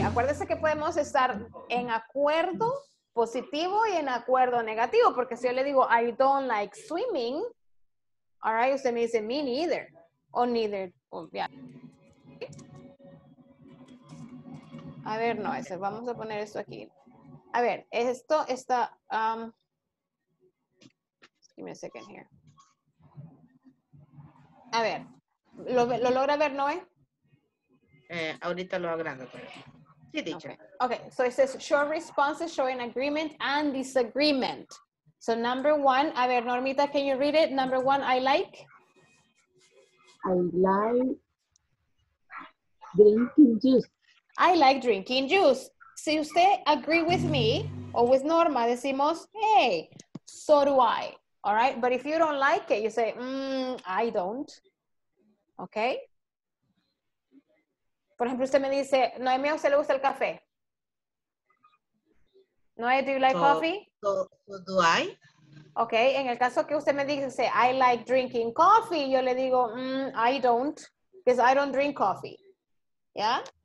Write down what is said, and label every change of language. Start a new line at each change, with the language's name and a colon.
Spanish: Acuérdese que podemos estar en acuerdo positivo y en acuerdo negativo. Porque si yo le digo,
English: I don't like swimming. All right.
Spanish: Usted me dice,
English: me neither. O neither. Oh, yeah.
Spanish: A ver, no. Vamos a poner esto aquí. A ver, esto está...
English: Give me a second here.
Spanish: A ver, ¿lo logra ver, Noé? Ahorita lo agrando. Pero... Sí, dicho.
English: Okay, so it says short responses showing agreement and disagreement. So number one,
Spanish: a ver,
English: Normita, can you read it? Number one, I like. I like drinking juice. I like drinking juice.
Spanish: Si usted
English: agree with me or with Norma,
Spanish: decimos,
English: hey, so do I. All right, but if you don't like it, you say, I don't. Okay?
Spanish: Por ejemplo, usted me dice, Noemí, ¿a usted le gusta el café?
English: Noé, do you like coffee? Do I?
Spanish: Okay, en el caso que usted me dice,
English: I like drinking coffee,
Spanish: yo le digo,
English: I don't. because I don't drink coffee. Yeah?